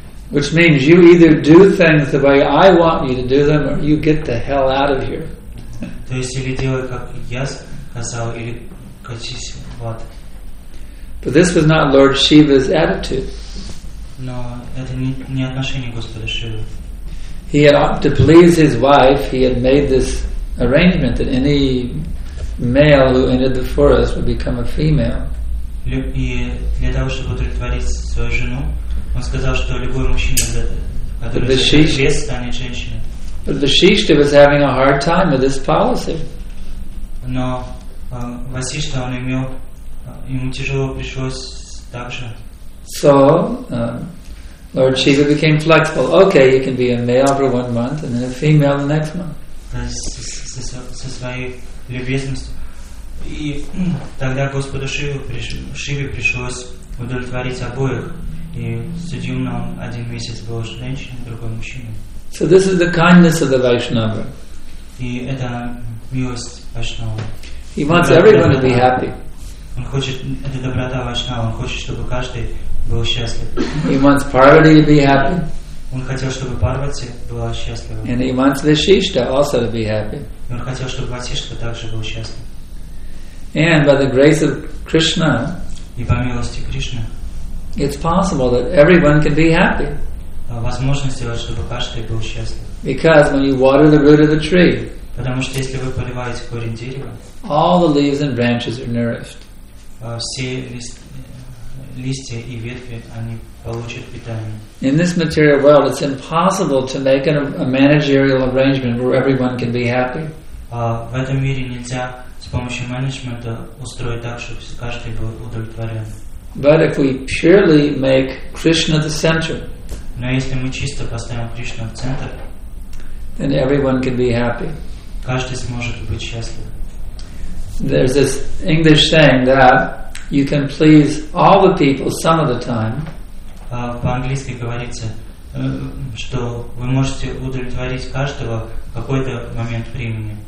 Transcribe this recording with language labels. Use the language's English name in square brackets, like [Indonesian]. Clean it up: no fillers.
[English] Which means you either do things the way I want you to do them, or you get the hell out of here. [Russian] То есть или делай как я сказал, или катись в ад. [English] But this was not Lord Shiva's attitude. [Russian] Но это не отношение Господа Шивы. [English] He had, to please his wife, he had made this arrangement that any male who entered the forest would become a female. [Russian] И для того, чтобы удовлетворить свою жену, он сказал, что любой мужчина, который лес, станет женщиной. [English] But Vasishtha was having a hard time with this policy. [Russian] Но Васишта, он имел, ему тяжело пришлось также. [English] So, Lord Shiva became flexible. Okay, you can be a male for 1 month, and then a female the next month. [Russian] Со своей любезностью. И тогда Господу Шиве пришлось удовлетворить обоих. И судью нам 1 месяц был женщиной, другой мужчиной. [English] So this is the kindness of the Vaishnava. [Russian] И это милость Вайшнава. [English] He wants everyone to be happy. [Russian] Он хочет, это доброта Вайшнава, он хочет, чтобы каждый был счастлив. [English] He wants Parvati to be happy. [Russian] Он хотел, чтобы Парвати была счастлива. [English] And he wants Vasishtha also to be happy. [Russian] И он хотел, чтобы Васишта также был счастлив. [English] And by the grace of Krishna, [Russian] и по милости Кришны, [English] it's possible that everyone can be happy. [Russian] Возможно сделать, чтобы каждый был счастлив. [English] Because when you water the root of the tree, [Russian] потому что если вы поливаете корень дерева, [English] all the leaves and branches are nourished. [Russian] Все листья и ветви, они получат питание. [English] In this material world, it's impossible to make a managerial arrangement where everyone can be happy. [Russian] В этом мире нельзя с помощью менеджмента устроить так, чтобы каждый был удовлетворен. [English] But if we purely make Krishna the center, [Russian] но если мы чисто поставим Кришну в центр, [English] then everyone can be happy. [Russian] Каждый сможет быть счастлив. [English] There's this English saying that you can please all the people some of the time. [Russian] По-английски говорится, что вы можете удовлетворить каждого какой-то момент времени.